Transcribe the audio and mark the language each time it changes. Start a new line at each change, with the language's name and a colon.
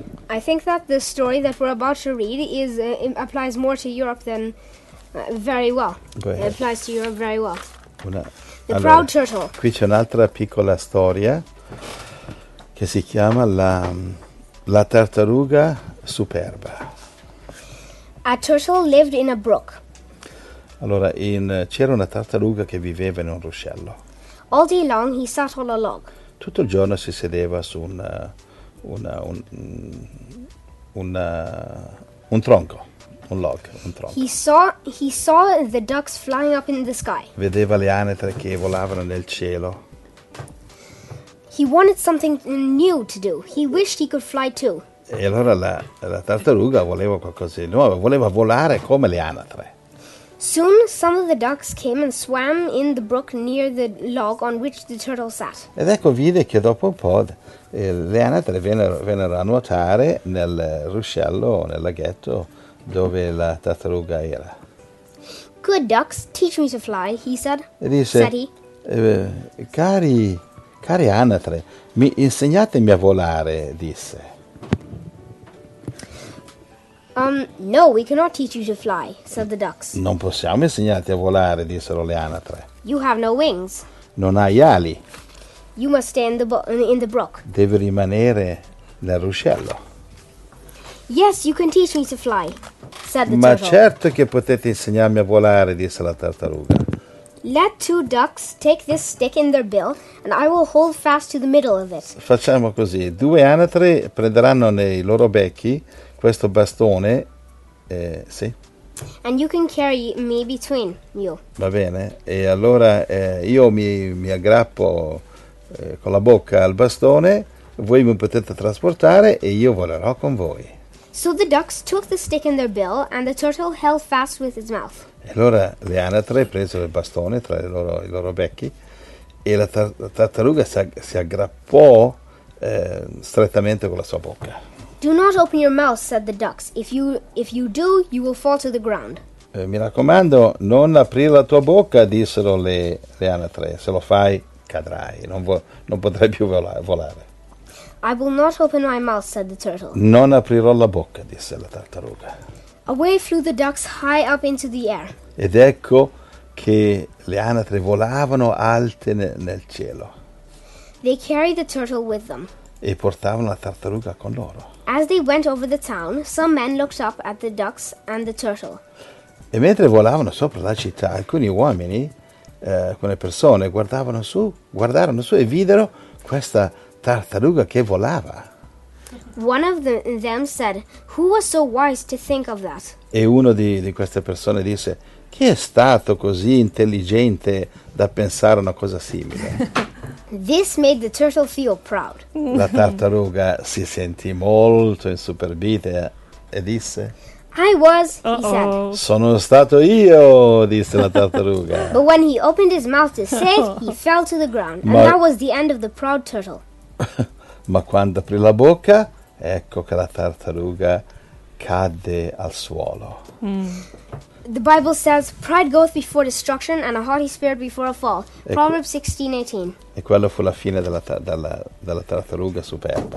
English: I think that the story that we're about to read is applies more to Europe than very well. Go ahead. It applies to Europe very well. Proud Turtle.
Italian: Qui c'è un'altra piccola storia che si chiama la tartaruga superba.
English: A turtle lived in a brook.
Italian: Allora, c'era una tartaruga che viveva in un ruscello.
English: All day long he sat on a log.
Italian: Tutto il giorno si sedeva su un tronco.
English: He saw the ducks flying up in the sky.
Italian: Vedeva le anatre che volavano nel cielo.
English: He wanted something new to do. He wished he could fly too.
Italian: E allora la tartaruga voleva qualcosa di nuovo, voleva volare come le anatre.
English: Soon some of the ducks came and swam in the brook near the log on which the turtle sat.
Italian: Ed ecco, vide che dopo un po' le anatre vennero a nuotare nel ruscello, nel laghetto dove la tartaruga era.
English: Good ducks, teach me to fly, he said.
Italian: E disse, cari anatre, mi insegnatemi a volare, disse.
English: No, we cannot teach you to fly, said the ducks.
Italian: Non possiamo insegnarti a volare, dissero le anatre.
English: You have no wings.
Italian: Non hai ali.
English: You must stay in the brook.
Italian: Devi rimanere nel ruscello.
English: Yes, you can teach me to fly, said the
Italian: Ma certo che potete insegnarmi a volare, disse la tartaruga.
English: Let two ducks take this stick in their bill, and I will hold fast to the middle of it.
Italian: Facciamo così. Due anatre prenderanno nei loro becchi questo bastone, sì.
English: And you can carry me between you.
Italian: Va bene. E allora io mi aggrappo con la bocca al bastone, voi mi potete trasportare e io volerò con voi.
English: So the ducks took the stick in their bill, and the turtle held fast with his mouth.
Italian: E allora le anatre presero il bastone tra i loro becchi e la tartaruga si aggrappò strettamente con la sua bocca.
English: Do not open your mouth, said the ducks. If you do, you will fall to the ground.
Italian: Mi raccomando, non aprire la tua bocca, dissero le anatre. Se lo fai, cadrai, non potrai più volare.
English: I will not open my mouth, said the turtle.
Italian: Non aprirò la bocca, disse la tartaruga.
English: Away flew the ducks high up into the air.
Italian: Ed ecco che le anatre volavano alte nel cielo.
English: They carried the turtle with them.
Italian: E portavano la tartaruga con loro.
English: As they went over the town, some men looked up at the ducks and the turtle.
Italian: E mentre volavano sopra la città, alcuni uomini, alcune persone, guardarono su e videro questa tartaruga che volava.
English: One of them said, "Who was so wise to think of that?"
Italian: E uno di queste persone disse, "Chi è stato così intelligente da pensare una cosa simile?"
English: This made the turtle feel proud.
Italian: La tartaruga si sentì molto insuperbita e disse,
English: "I was," he said.
Italian: "Sono stato io," disse la tartaruga.
English: But when he opened his mouth to say it, he fell to the ground, and that was the end of the proud turtle.
Italian: Ma quando aprì la bocca, ecco che la tartaruga cadde al suolo. Mm.
English: The Bible says, "Pride goeth before destruction, and a haughty spirit before a fall." Proverbs 16:18.
Italian: E quella fu la fine della tartaruga superba.